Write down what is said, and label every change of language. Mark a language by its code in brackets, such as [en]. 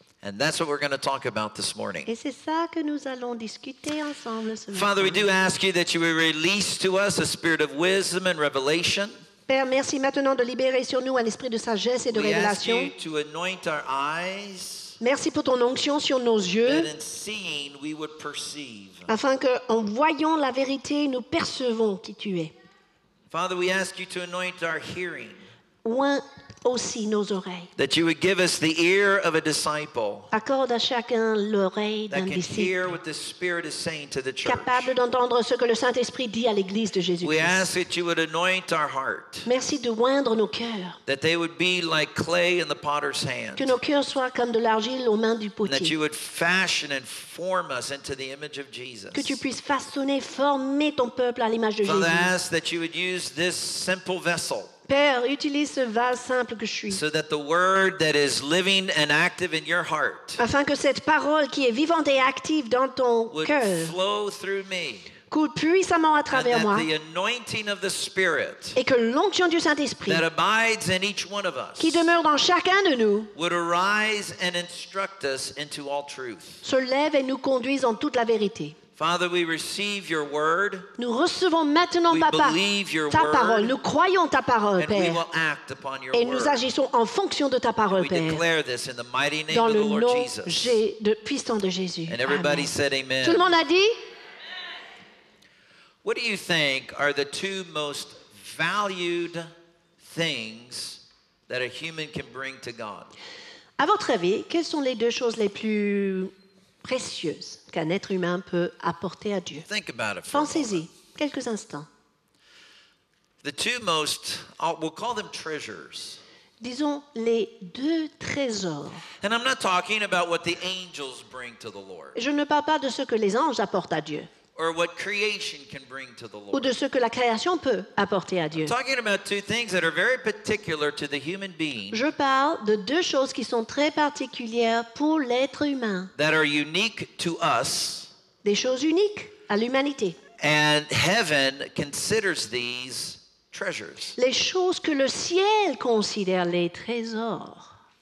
[en] And that's what we're going to talk about this morning. [fr] Et c'est ça que nous allons discuter ensemble ce matin. [en] Father, we do ask you that you will release to us a spirit of wisdom and revelation. [fr] Père, merci maintenant de libérer sur nous un esprit de sagesse et de [en] we [fr] révélation. [en] Ask you to anoint our eyes, [fr] merci pour ton onction sur nos yeux, [en] that in seeing we would perceive, [fr] afin qu'en voyant la vérité, nous percevons qui tu es. [en] Father, we ask you to anoint our hearing, [fr] oint aussi nos oreilles. [en] That you would give us the ear of a disciple. [fr] Accorde à chacun l'oreille d'un disciple. [en] That can hear what the Spirit is saying to the church. [fr] Capable d'entendre ce que le Saint-Esprit dit à l'église de Jésus-Christ. [en] We ask that you would anoint our heart. [fr] Merci de oindre nos cœurs. [en] That they would be like clay in the potter's hand. [fr] Que nos cœurs soient comme de l'argile aux mains du potier. [en] And that you would fashion and form us into the image of Jesus. [fr] Que tu puisses façonner, former ton peuple à l'image de Jésus. [en] Father, I ask that you would use this simple vessel. [fr] Père, utilise ce vase simple que je suis. [en] So that the word that is living and active in your heart. [fr] Afin que cette parole qui est vivante et active dans ton cœur. [en] Flow through me. [fr] Coule puissamment à travers moi. [en] And the anointing of the Spirit. [fr] Et que l'onction du Saint-Esprit. [en] That abides in each one of us. [fr] Qui demeure dans chacun de nous. [en] Would arise and instruct us into all truth. [fr] Se lève et nous conduise en toute la vérité. [en] Father, we receive your word. [fr] Nous recevons maintenant, Papa, ta parole. Nous croyons ta parole, Père. [en] And we will act upon your [fr] word. Et nous agissons en fonction de ta parole, Père. [en] We declare this in the mighty name of the [fr] Lord Jesus. Dans le nom puissant de Jésus. [en] And everybody said amen. [fr] Tout le monde a dit? [en] What do you think are the two most valued things that a human can bring to God? [fr] À votre avis, quelles sont les deux choses les plus précieuse qu'un être humain peut apporter à Dieu. Pensez-y quelques instants. [en] The two most, we'll call them treasures. [fr] Disons les deux trésors. [en] And I'm not talking about what the angels bring to the Lord. [fr] Je ne parle pas de ce que les anges apportent à Dieu. [en] Or what creation can bring to the Lord. [fr] Ou de ce que la création peut apporter à Dieu. [en] I'm talking about two things that are very particular to the human being. [fr] Je parle de deux choses qui sont très particulières pour l'être humain. [en] That are unique to us. [fr] Des choses uniques à l'humanité. [en] And heaven considers these treasures. [fr] Les choses que le ciel considère les trésors.